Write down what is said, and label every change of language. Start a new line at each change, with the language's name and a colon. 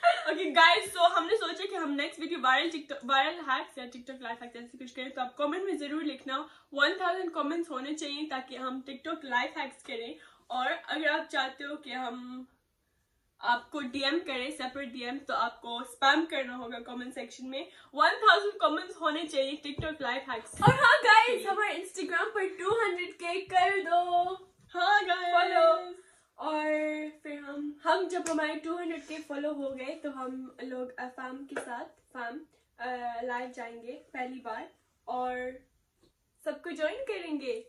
English: Okay, guys, so we thought that we'll next video viral.
Hindi: viral TikTok, viral hacks या TikTok life hacks ऐसे कुछ करें तो आप comment में जरूर लिखना, 1000 comments होने चाहिए ताकि हम TikTok life hacks करें. और अगर आप चाहते हो कि हम आपको DM करें separate DM, तो आपको spam करना होगा comment section में. 1000 comments होने चाहिए TikTok life hacks. और हाँ guys, हमारे Instagram पर 200k कर दो. हाँ guys,
English: follow.
Hindi: और फिर हम जब हमारे 200k फॉलो हो गए तो हम लोग फैम के साथ फैम लाइव जाएंगे पहली बार और सबको ज्वाइन करेंगे.